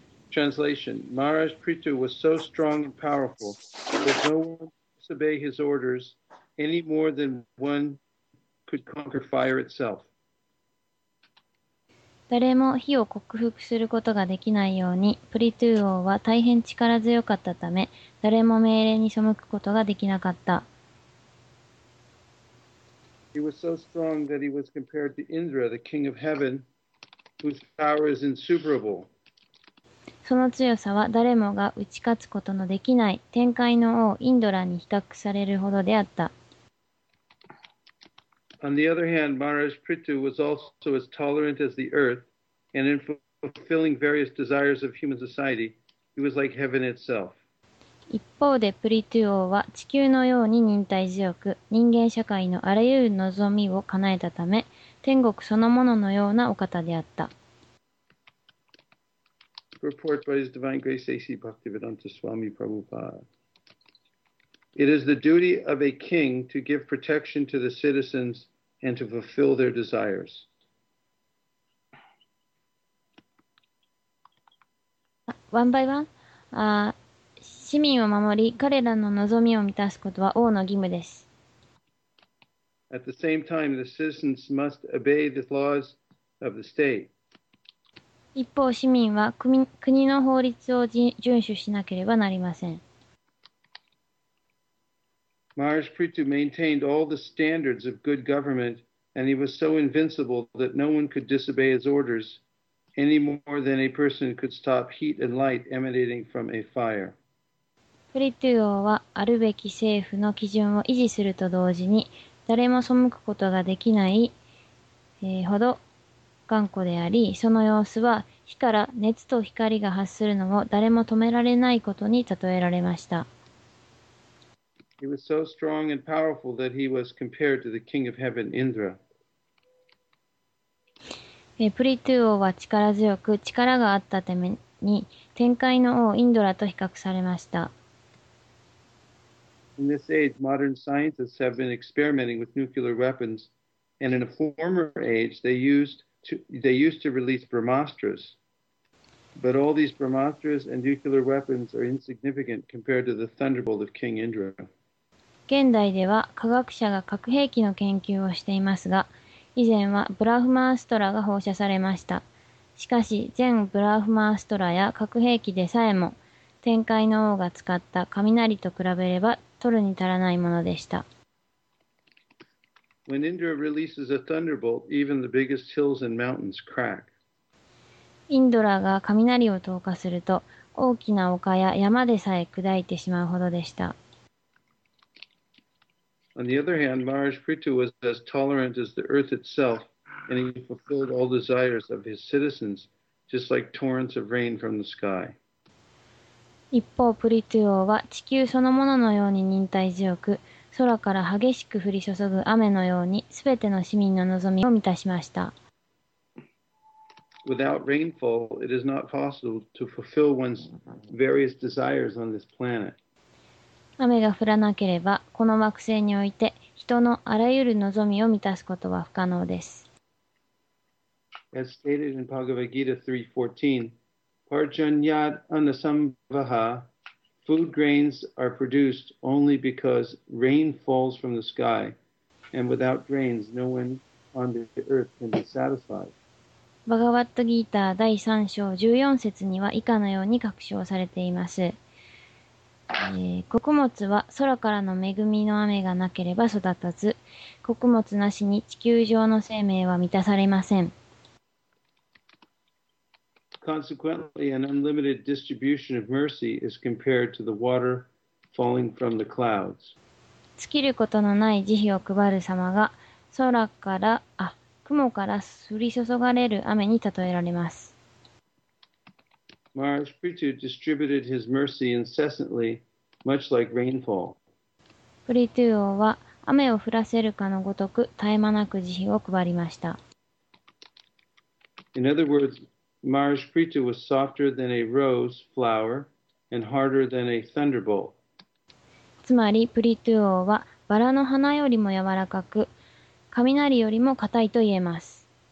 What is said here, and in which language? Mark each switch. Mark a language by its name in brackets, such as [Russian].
[English] Translation: Maharaj Prithu was so strong and powerful that no one could disobey his orders any more than one could conquer fire itself. [Japanese] 誰も火を克服することができないように、プリトゥー王は大変力強かったため、誰も命令に背くことができなかった。 [English] He was so strong that he was compared to Indra, the king of heaven, whose power is insuperable. [Japanese] その強さは誰もが打ち勝つことのできない天界の王インドラに比較されるほどであった。 [English] On the other hand, Maharaj Prithu was also as tolerant as the earth, and in fulfilling various desires of human society, he was like heaven itself. [Japanese] 一方で、プリトゥ王は地球のように忍耐強く、人間社会のあらゆる望みを叶えたため、天国そのもののようなお方であった。 [English] Report by His Divine Grace A.C. Bhaktivedanta Swami Prabhupada. It is the duty of a king to give protection to the citizens and to fulfill their desires. One by one. [Japanese] 市民を守り、彼らの望みを満たすことは王の義務です。 [English] At the same time, the citizens must obey the laws of the state. [Japanese] 一方、市民は国の法律を遵守しなければなりません。 [English] Maharaj Prithu maintained all the standards of good government, and he was so invincible that no one could disobey his orders any more than a person could stop heat and light emanating from a fire. [Japanese] Prithu 王はあるべき政府の基準を維持すると同時に、誰も背くことができないほど頑固であり、その様子は火から熱と光が発するのを誰も止められないことに例えられました。 [English] He was so strong and powerful that he was compared to the king of heaven, Indra. [Japanese] プリトゥ王は力強く、力があったために、天界の王インドラと比較されました。 [English] In this age, modern scientists have been experimenting with nuclear weapons, and in a former age, they used to release Brahmastras. But all these Brahmastras and nuclear weapons are insignificant compared to the thunderbolt of King Indra. [Japanese] 現代では科学者が核兵器の研究をしていますが、以前はブラフマーストラが放射されました。しかし、前ブラフマーストラや核兵器でさえも、天界の王が使った雷と比べれば取るに足らないものでした。 [English] When Indra releases a thunderbolt, even the biggest hills and mountains crack. [Japanese] インドラが雷を投下すると、大きな丘や山でさえ砕いてしまうほどでした。 [English] On the other hand, Maharaj Prithu was as tolerant as the earth itself, and he fulfilled all desires of his citizens, just like torrents of rain from the sky. [Japanese] 一方、プリトゥ王は地球そのもののように忍耐強く、空から激しく降り注ぐ雨のように、すべての市民の望みを満たしました。 [English] Without rainfall, it is not possible to fulfill one's various desires on this planet. [Japanese] 雨が降らなければ、この惑星において、人のあらゆる望みを満たすことは不可能です。 [English] As stated in Bhagavad Gita 3.14, Parjanyad Anasambhaha, food grains are produced only because rain falls from the sky, and without grains, no one on the earth can be satisfied. [Japanese] バガワットギーター第3章14節には以下のように確証されています。穀物は空からの恵みの雨がなければ育たず、穀物なしに地球上の生命は満たされません。 [English] Consequently, an unlimited distribution of mercy is compared to the water falling from the clouds. [Japanese] 尽きることのない慈悲を配る様が空から、雲から降り注がれる雨に例えられます。 [English] Maharashtra distributed his mercy incessantly, much like rainfall. [Japanese] プリトゥー王は雨を降らせるかのごとく絶え間なく慈悲を配りました。 [English] In other words,Maharashtra was softer than a rose flower and harder than a thunderbolt. [Japanese] つまり、プリトゥー王はバラの花よりも柔らかく、雷よりも硬いと言えます。